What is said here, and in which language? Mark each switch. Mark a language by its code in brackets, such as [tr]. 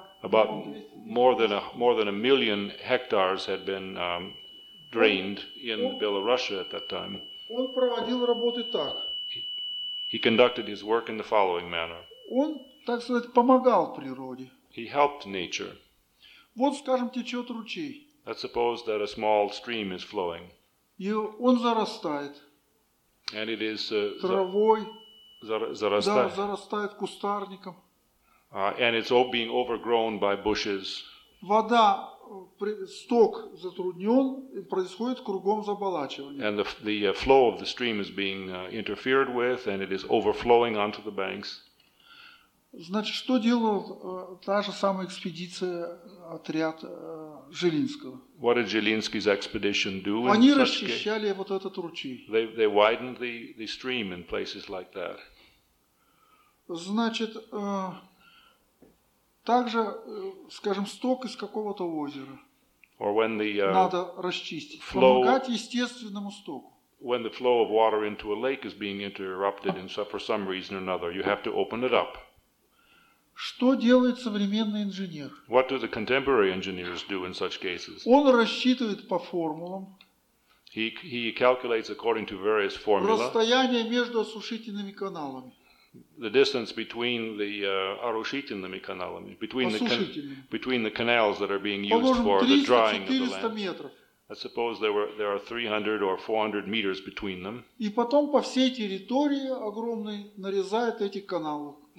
[en] More than a million hectares had been drained in Belarus at that time. [ru] Он проводил работы так. [en] He conducted his work in the following manner. [ru] Он, так сказать, помогал природе. [en] He helped nature. [ru] Вот, скажем, течет ручей. [en] Let's suppose that a small stream is flowing. [ru] И он зарастает. [en] And it is [ru] травой. Зарастает. Да, зарастает кустарником. [en] And it's all being overgrown by bushes. [ru] Вода, сток затруднен, происходит кругом заболачивание. [en] And the flow of the stream is being interfered with, and it is overflowing onto the banks. [ru] Значит, что делала та же самая экспедиция, отряд Жилинского? [en] What did Jelinski's expedition do in [ru] Они расчищали вот этот ручей. [en] They widened the stream in places like that. [ru] Значит, также, скажем, сток из какого-то озера. [en] Or when the, [ru] надо расчистить, flow, помогать естественному стоку. [en] When the flow of water into a lake is being interrupted and so for some reason or another, you have to open it up. [ru] Что делает современный инженер? [en] What do the contemporary engineers do in such cases? [ru] Он рассчитывает по формулам. [en] He calculates according to various formula. [ru] Расстояние между осушительными каналами. [en] The distance between the [ru] орушительными каналами, [en] between the canals that are being used for the drying of the land. [ru] Метров. [en] I suppose there are 300 or 400 meters between them. [ru] И потом по всей территории огромной нарезает эти каналы.